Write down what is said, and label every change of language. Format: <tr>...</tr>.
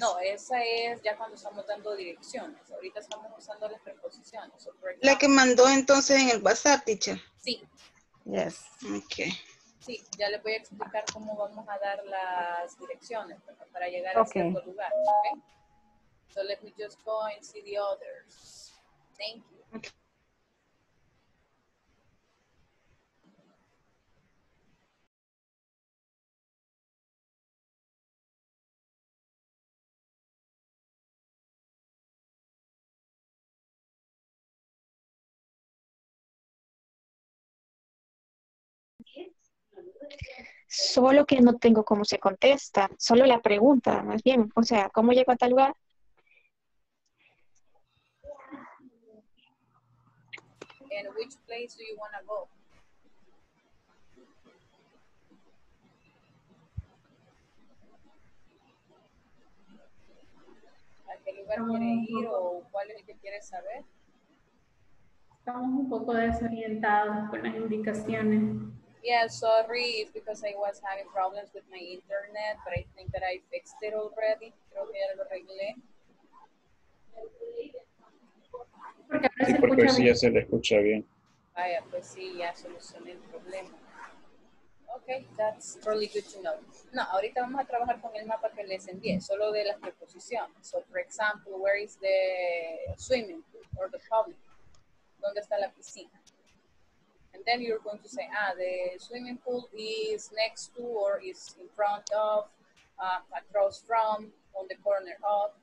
<es>No, esa es ya cuando estamos dando direcciones. Ahorita estamos usando las preposiciones. La que mandó entonces en el WhatsApp, teacher. Sí.</es> <en>Yes. Okay.</en> <es>Sí, ya les voy a explicar cómo vamos a dar las direcciones para llegar a cierto lugar.</es> <en>Okay. So let me just go and see the others. Thank you. Okay.</en> <es>Solo que no tengo cómo se contesta, solo la pregunta, más bien, o sea, ¿cómo llego a tal lugar?</es> <en>And which place do you want to go?</en> <es>¿A qué lugar quiere ir o cuál es el que quiere saber? Estamos un poco desorientados con las indicaciones.</es> <en>Yeah, sorry, it's because I was having problems with my internet, but I think that I fixed it already.</en> <es>Creo que ya lo arreglé. Sí, porque sí ya se le escucha bien. Vaya, pues sí, ya solucioné el problema.</es> <en>Okay, that's really good to know.</en> <es>No, ahorita vamos a trabajar con el mapa que les envié, solo de las preposiciones.</es> <en>So, for example, where is the swimming pool or the public?</en> <es>¿Dónde está la piscina?</es> <en>And then you're going to say, ah, the swimming pool is next to or is in front of, across from, on the corner of.</en>